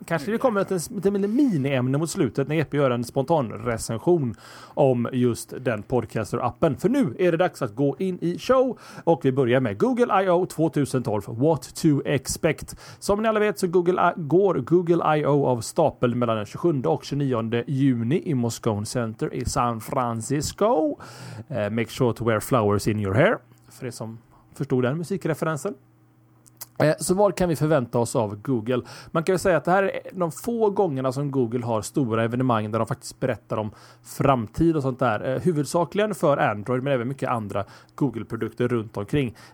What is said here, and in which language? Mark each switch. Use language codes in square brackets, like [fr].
[sv] Kanske det kommer ett mini-ämne mot slutet när Jeppe gör en spontan recension om just den podcaster-appen. För nu är det dags att gå in i show och vi börjar med Google I.O. 2012. [en] What to expect? [sv] Som ni alla vet så går Google I.O. av stapel mellan den 27 och 29 juni i Moscone Center i San Francisco. [en] Make sure to wear flowers in your hair. [sv] För er som förstod den musikreferensen. Så vad kan vi förvänta oss av Google? Man kan väl säga att det här är de få gångerna som Google har stora evenemang där de faktiskt berättar om framtid och sånt där. Huvudsakligen för Android, men även mycket andra Google-produkter runt omkring.